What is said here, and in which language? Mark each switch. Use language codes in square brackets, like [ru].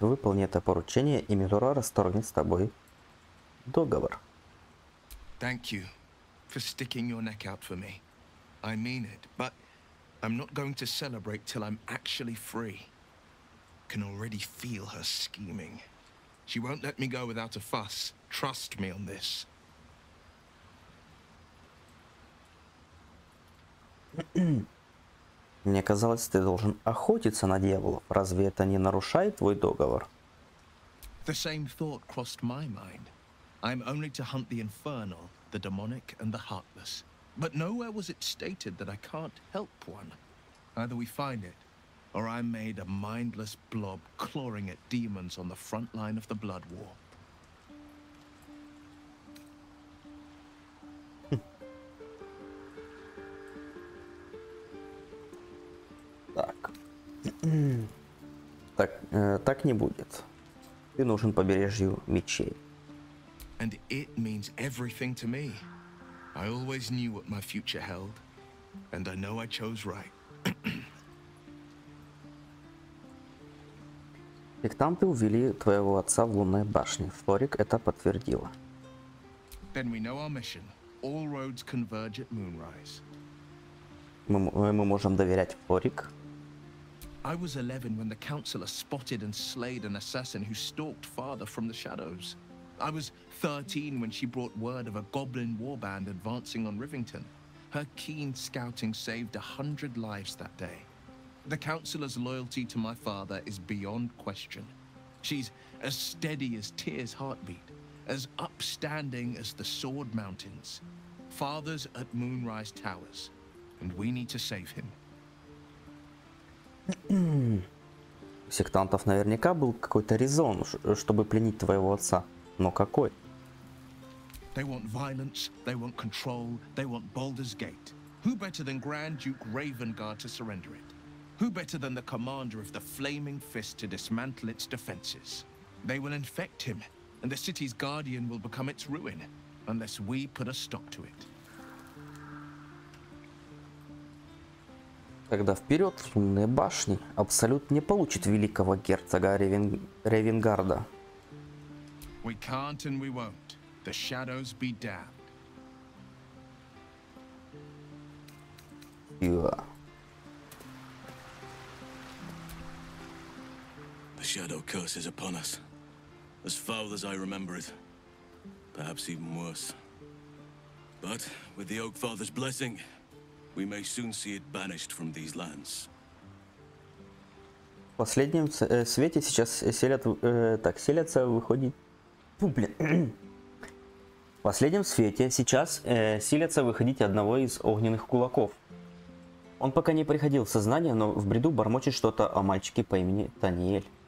[ru] Выполни это поручение, и Мизора расторгнет с тобой договор. [en] Thank you for sticking your neck out for me. I mean it, but I'm not going to celebrate till I'm actually free. Can already feel her scheming. She won't let me go without a fuss. Trust me on this. [ru] Мне казалось, ты должен охотиться на дьяволов. Разве это не нарушает твой договор? [en] The same thought crossed my mind. I'm only to hunt the infernal, the demonic, and the heartless. But nowhere was it stated that I can't help one. Either we find it, or I'm made a mindless blob clawing at demons on the front line of the blood war. [ru] Так. Так, так не будет. Ты нужен побережью мечей. [en] And it means everything to me. I always knew what my future held, and I know I chose right. [ru] Сектанты увели твоего отца в лунной башне. Флорик это подтвердила. [en] Then we know our mission. All roads converge at moonrise. [ru] Мы можем доверять Флорик. [en] I was 11 when the Counselor spotted and slayed an assassin who stalked Father from the shadows. I was 13 when she brought word of a goblin warband advancing on Rivington. Her keen scouting saved 100 lives that day. The Counselor's loyalty to my father is beyond question. She's as steady as Tyr's heartbeat, as upstanding as the Sword Mountains. Father's at Moonrise Towers, and we need to save him. [ru] У сектантов наверняка был какой-то резон, чтобы пленить твоего отца. Но какой? [en] They want violence, they want control, they want Baldur's Gate. Who better than Grand Duke Ravenguard to surrender it? Who better than the commander of the Flaming Fist to dismantle its defenses? They will infect him, and the city's guardian will become its ruin, unless we put a stop to it. [ru] Тогда вперед в лунные башни. Абсолют не получит великого герцога Ревенгарда. [en] We can't and we won't. The shadows be damned. Yeah. The shadow curse is upon us. As foul as I remember it. Perhaps even worse. But with the Oak Father's blessing, we may soon see it banished from these lands. [ru] В последнем свете сейчас селятся, выходит. В последнем свете сейчас силятся выходить одного из огненных кулаков. Он пока не приходил в сознание, но в бреду бормочет что-то о мальчике по имени Таниэль.